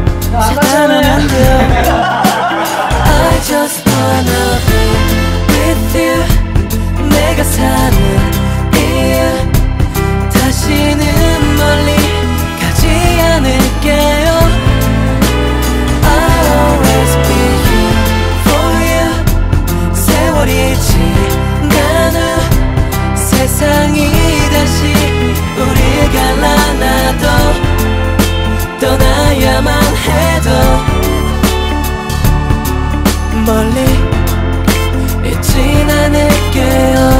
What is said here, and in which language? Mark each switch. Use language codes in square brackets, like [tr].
[ko] 찾아만 안 돼요. [en] I just wanna be with you. [ko] 내가 사는 이유 다시는 멀리 가지 않을게요. [en] I'll always be here for you. [ko] 세월이 지난 후 세상이 다시 우릴 갈라놔도 떠나야만 해도 멀리 잊진 않을게요.